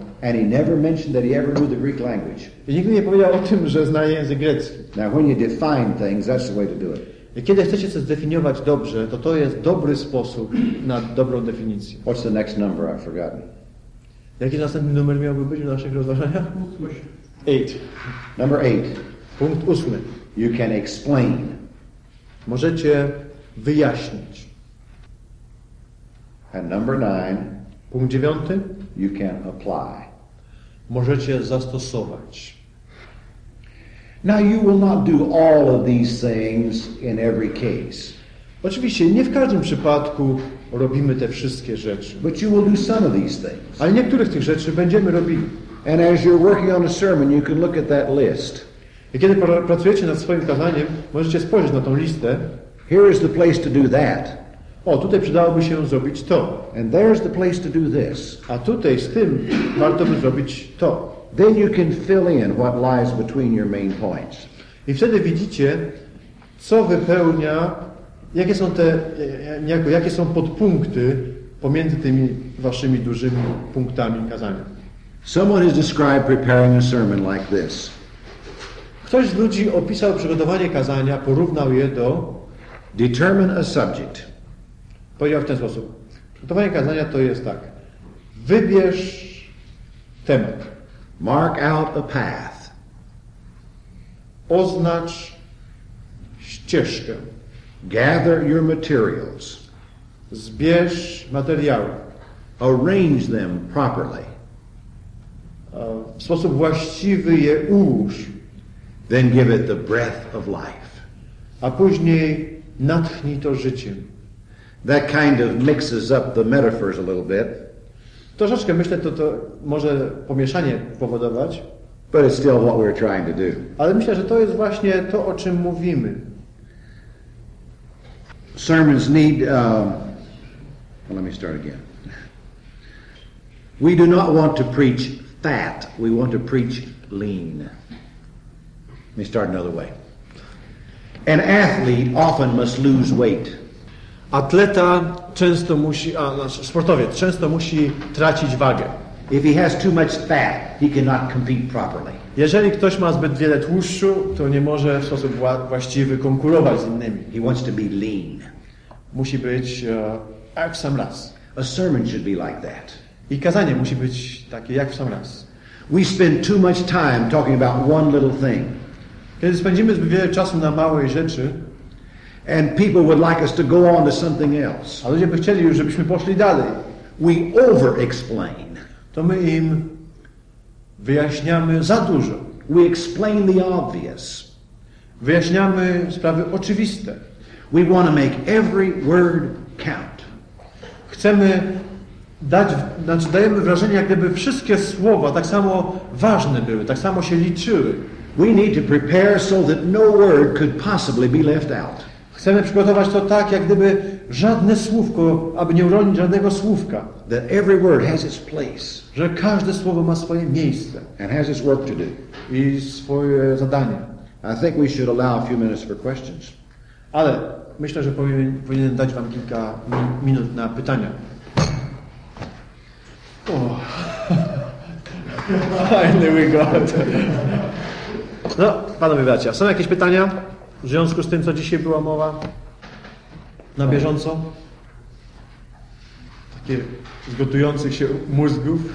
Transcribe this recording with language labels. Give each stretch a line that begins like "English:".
English: And he never mentioned that he ever knew the Greek language.
Polish: I nigdy nie powiedział o tym, że zna język grecki.
English: Now when you define things, that's the way to do it.
Polish: I kiedy chcecie coś zdefiniować dobrze, to to jest dobry sposób na dobrą definicję.
English: What's the next number? I've forgotten.
Polish: Jaki następny numer miałby być w naszych rozważaniach?
English: 8. Number 8.
Polish: Punkt 8.
English: You can explain.
Polish: Możecie wyjaśnić.
English: And number 9.
Polish: Punkt 9.
English: You can apply.
Polish: Możecie zastosować.
English: Now you will not do all of these things in every case.
Polish: Oczywiście nie w każdym przypadku robimy te wszystkie rzeczy.
English: But you will do some of these things.
Polish: Ale niektóre z tych rzeczy będziemy robili.
English: And as you're working on a sermon, you can look at that list.
Polish: I kiedy pracujecie nad swoim kazaniem, możecie spojrzeć na tą listę.
English: Here is the place to do that.
Polish: O, tutaj przydałoby się zrobić to.
English: And there's the place to do this.
Polish: A tutaj z tym warto by zrobić to.
English: Then you can fill in what lies between your main points.
Polish: I wtedy widzicie, co wypełnia, jakie są te, jakie są podpunkty pomiędzy tymi waszymi dużymi punktami kazania.
English: Someone has described preparing a sermon like this.
Polish: Ktoś z ludzi opisał przygotowanie kazania, porównał je do
English: determine a subject.
Polish: Powiedział w ten sposób. Przygotowanie kazania to jest tak. Wybierz temat.
English: Mark out a path.
Polish: Oznacz ścieżkę.
English: Gather your materials.
Polish: Zbierz materiały.
English: Arrange them properly.
Polish: W sposób właściwy je ułóż.
English: Then give it the breath of life.
Polish: A później natchnij to życiem.
English: That kind of mixes up the metaphors a little bit.
Polish: Troszeczkę myślę, to może pomieszanie powodować.
English: But it's still what we're trying to do.
Polish: Ale myślę, że to jest właśnie to, o czym mówimy.
English: Sermons need. Let me start again. We do not want to preach fat. We want to preach lean. Let me start another way. An athlete often must lose weight.
Polish: Atleta często musi, sportowiec często musi tracić wagę.
English: If he has too much fat, he cannot compete properly.
Polish: Jeżeli ktoś ma zbyt wiele tłuszczu, to nie może w sposób właściwy konkurować z innymi.
English: He wants to be lean.
Polish: Musi być jak w sam raz.
English: A sermon should be like that.
Polish: I kazanie musi być takie jak w sam raz.
English: We spend too much time talking about one little thing.
Polish: Kiedy spędzimy zbyt wiele czasu na małej rzeczy.
English: And people would like us to go on to something else.
Polish: A ludzie by chcieli już, żebyśmy poszli dalej.
English: We over-explain.
Polish: To my im wyjaśniamy za dużo.
English: We explain the obvious.
Polish: Wyjaśniamy sprawy oczywiste.
English: We want to make every word count.
Polish: Chcemy dać, znaczy dajemy wrażenie, jak gdyby wszystkie słowa tak samo ważne były, tak samo się liczyły.
English: We need to prepare so that no word could possibly be left out.
Polish: Chcemy przygotować to tak, jak gdyby żadne słówko, aby nie uronić żadnego słówka.
English: That every word has its place.
Polish: Że każde słowo ma swoje miejsce.
English: And has its work to do.
Polish: I swoje zadanie.
English: I think we should allow a few minutes for questions.
Polish: Ale myślę, że powinienem dać wam kilka minut na pytania.
English: Oh. Finally we got.
Polish: No, panowie bracia, są jakieś pytania? W związku z tym, co dzisiaj była mowa, na bieżąco, takie z gotujących się mózgów.